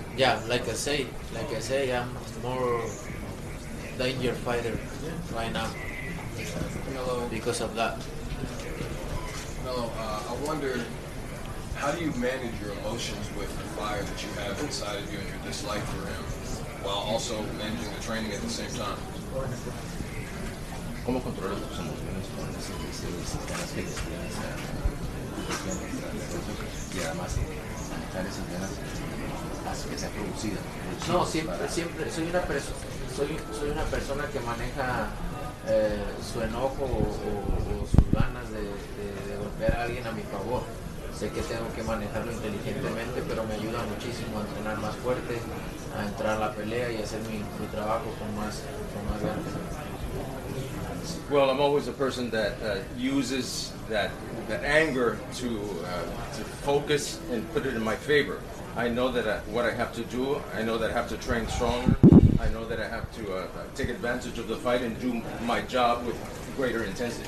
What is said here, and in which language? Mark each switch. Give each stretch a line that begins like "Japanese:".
English: Yeah, like I say, I'm more danger fighter right now because of that. Canelo, I wonder, how do you manage your emotions with the fire that you have inside of you and your dislike for him, while also managing the training at the same time?
Spanish: ¿Cómo controlar tus emociones con las ganas que les tienes a la situación y además manejar esas ganas hace que sea producida? No, siempre soy una persona que maneja su enojo o sus ganas de golpear a alguien a mi favor. Sé que tengo que manejarlo inteligentemente, pero me ayuda muchísimo a entrenar más fuerte, a entrar a la pelea y hacer mi trabajo con más ganas.
English: Well, I'm always a person that uses that anger to focus and put it in my favor. I know that what I have to do, I know that I have to train stronger, I know that I have to take advantage of the fight and do my job with greater intensity.